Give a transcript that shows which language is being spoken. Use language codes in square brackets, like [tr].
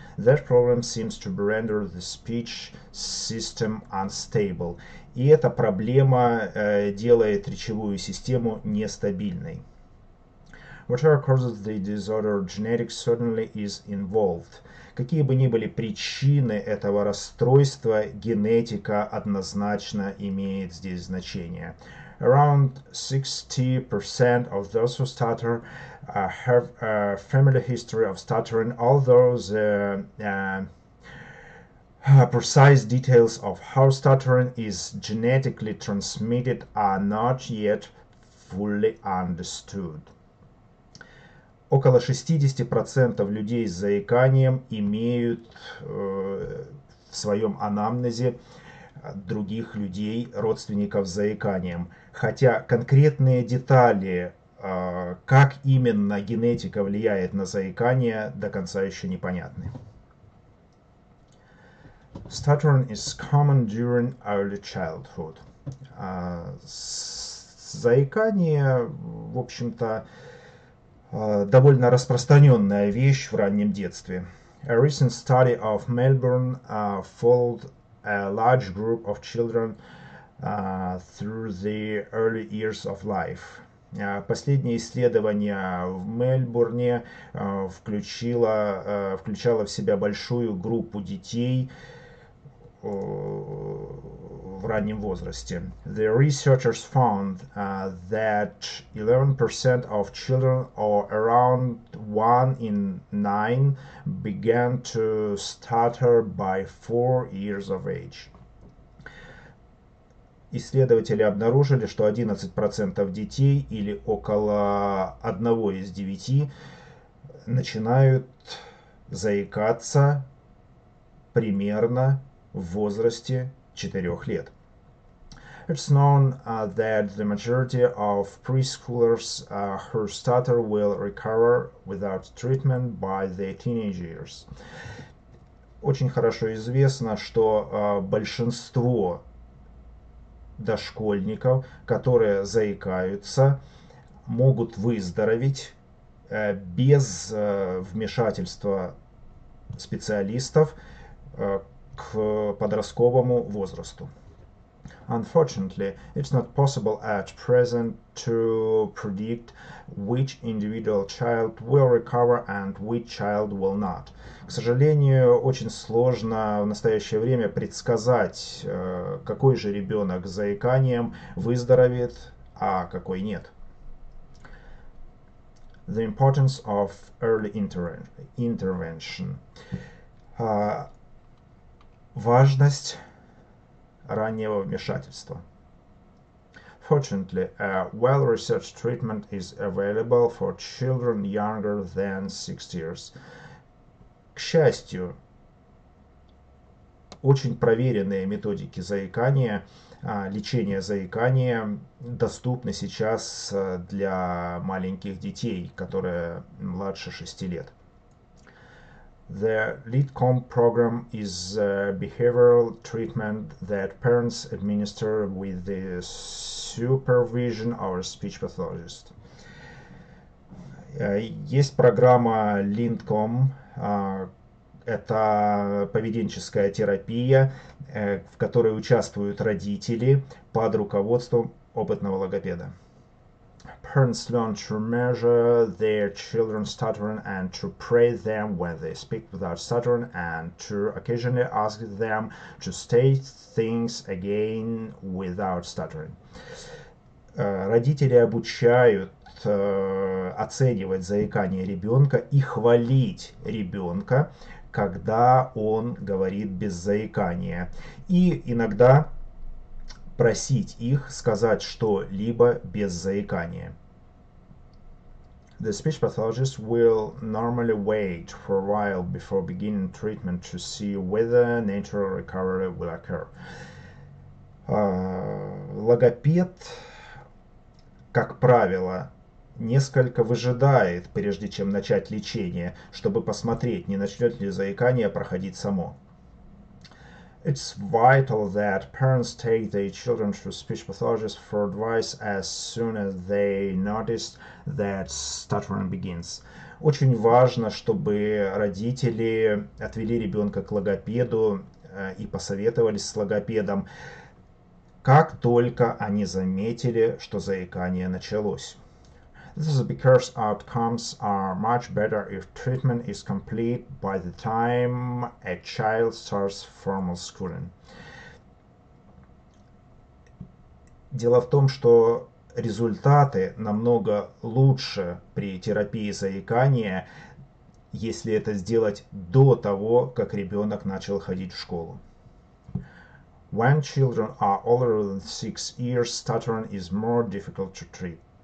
[en] That problem seems to render the speech system unstable. [ru] И эта проблема делает речевую систему нестабильной. [en] Whatever causes the disorder, genetics certainly is involved. [ru] Какие бы ни были причины этого расстройства, генетика однозначно имеет здесь значение. [en] Around 60% of those who stutter have a family history of stuttering, although the precise details of how stuttering is genetically transmitted are not yet fully understood. [ru] Около 60% людей с заиканием имеют в своем анамнезе других людей, родственников с заиканием. Хотя конкретные детали, как именно генетика влияет на заикание, до конца еще непонятны. [en] Stuttering is common during early childhood. [ru] Заикание, в общем-то, довольно распространенная вещь в раннем детстве. [en] A recent study of Melbourne followed a large group of children through the early years of life. [ru] Последнее исследование в Мельбурне включало в себя большую группу детей в раннем возрасте. [en] The researchers found that 11% of children, or around 1 in 9, began to stutter by 4 years of age. [ru] Исследователи обнаружили, что 11% детей, или около 1 из 9, начинают заикаться примерно в возрасте 4 лет. [en] It's known that the majority of preschoolers who stutter will recover without treatment by the teenage years. [ru] Очень хорошо известно, что большинство дошкольников, которые заикаются, могут выздороветь без вмешательства специалистов к подростковому возрасту. [en] Unfortunately, it's not possible at present to predict which individual child will recover and which child will not. [ru] К сожалению, очень сложно в настоящее время предсказать, какой же ребенок с заиканием выздоровеет, а какой нет. [en] The importance of early intervention. [ru] Важность раннего вмешательства. [en] Fortunately, a well-researched treatment is available for children younger than 6 years. [ru] К счастью, очень проверенные методики заикания, лечения заикания доступны сейчас для маленьких детей, которые младше 6 лет. [en] The LEADCOM program is a behavioral treatment that parents administer with the supervision of a speech pathologist. [ru] Есть программа LEADCOM. Это поведенческая терапия, в которой участвуют родители под руководством опытного логопеда. [en] Parents learn to measure their children's stuttering and to praise them when they speak without stuttering and to occasionally ask them to state things again without stuttering. [ru] Родители обучают оценивать заикание ребенка и хвалить ребенка, когда он говорит без заикания. И иногда просить их сказать что-либо без заикания. [en] The speech pathologist will normally wait for a while before beginning treatment to see whether natural recovery will occur. [ru] Логопед, как правило, несколько выжидает, прежде чем начать лечение, чтобы посмотреть, не начнет ли заикание проходить само. [en] It's vital that parents take their children to speech pathologists for advice as soon as they notice that stuttering begins. [ru] Очень важно, чтобы родители отвели ребенка к логопеду и посоветовались с логопедом, как только они заметили, что заикание началось. [en] This is because outcomes are much better if treatment is complete by the time a child starts formal schooling. [ru] Дело в том, что результаты намного лучше при терапии заикания, если это сделать до того, как ребенок начал ходить в школу. [en] When children are older than 6 years, stuttering is more difficult to treat.